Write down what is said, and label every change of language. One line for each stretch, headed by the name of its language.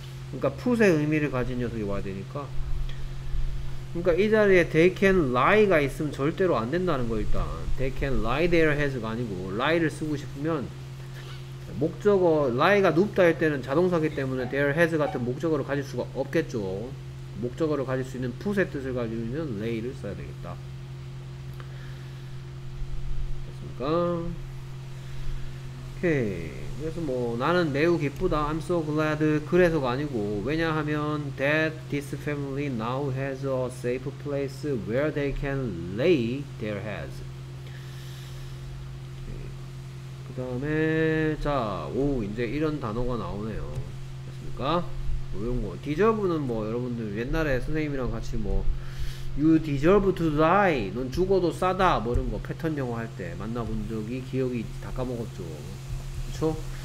Korean: 그러니까 풋의 의미를 가진 녀석이 와야 되니까 그러니까 이 자리에 they can lie가 있으면 절대로 안 된다는 거 일단 they can lie their heads 가 아니고 lie를 쓰고 싶으면 목적어 lie가 눕다 할 때는 자동사기 때문에 their heads 같은 목적어를 가질 수가 없겠죠. 목적어를 가질 수 있는 풋의 뜻을 가지면 lay를 써야 되겠다. 됐습니까? 오케이. 그래서 뭐 나는 매우 기쁘다.
English: I'm so glad. 그래서가 아니고 왜냐하면 that this family now has a safe place where they can lay their heads.
Korean: 그 다음에 자 오 이제 이런 단어가 나오네요. 맞습니까? 뭐 이런 거 deserve는 뭐 여러분들 옛날에 선생님이랑 같이 뭐 you deserve to die. 넌 죽어도 싸다. 뭐 이런 거 패턴 영어 할 때 만나본 적이 기억이 다 까먹었죠. 그쵸?